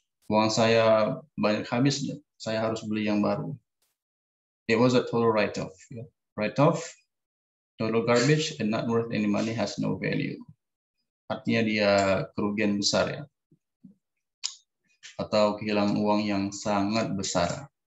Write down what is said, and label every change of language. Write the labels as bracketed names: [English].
[Indonesian] Uang saya banyak habis, saya harus beli yang baru. [English] It was a total write-off. Yeah. Write-off, total garbage, and not worth any money, has no value. [Indonesian] Artinya dia kerugian besar ya. Atau kehilangan uang yang sangat besar.